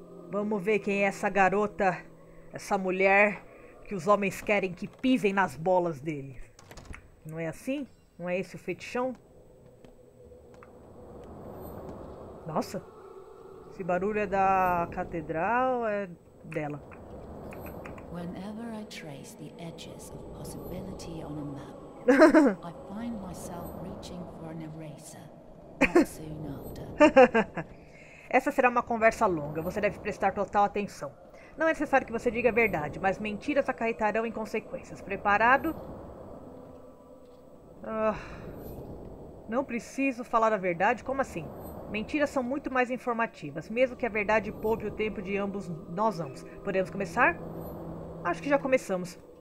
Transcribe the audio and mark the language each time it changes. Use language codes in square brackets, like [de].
[pt] Vamos ver quem é essa garota, essa mulher, que os homens querem que pisem nas bolas dele. Não é assim? Não é esse o fetichão? Nossa! Esse barulho é da catedral, é dela. [en] Whenever I trace the edges of possibility on a map, I find myself reaching for an eraser. Soon after. [pt] Essa será uma conversa longa, você deve prestar total atenção. Não é necessário que você diga a verdade, mas mentiras acarretarão em consequências. Preparado? Não preciso falar a verdade? Como assim? Mentiras são muito mais informativas, mesmo que a verdade poupe o tempo de ambos nós ambos. Podemos começar? Acho que já começamos.